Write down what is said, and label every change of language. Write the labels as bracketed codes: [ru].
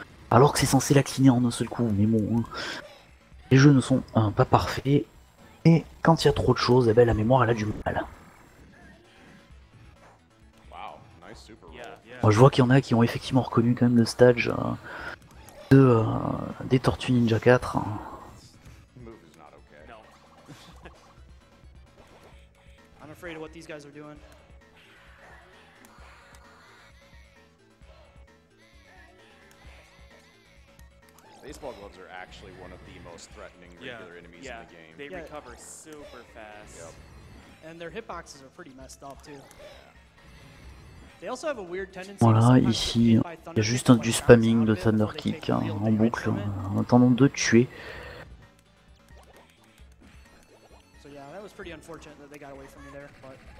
[fr] Alors que c'est censé la cleaner en un seul coup, mais bon... Hein. Les jeux ne sont pas parfaits. Et quand il y a trop de choses, eh ben la mémoire elle a du mal. [en] Wow, nice super. [fr] Moi, je vois qu'il y en a qui ont effectivement reconnu quand même le stage des Tortues Ninja 4. [en] Move is not okay. No. I'm afraid of what these guys are doing. Baseball gloves are actually one of the most threatening regular enemies in the game. They recover super fast. Yep. And their hitboxes are pretty messed up too. They also have a weird tendency. [fr] Voilà, ici, il y a juste du spamming de Thunder Kick hein, en boucle, en attendant de tuer. [en] So yeah, that was pretty unfortunate that they got away from me there, but...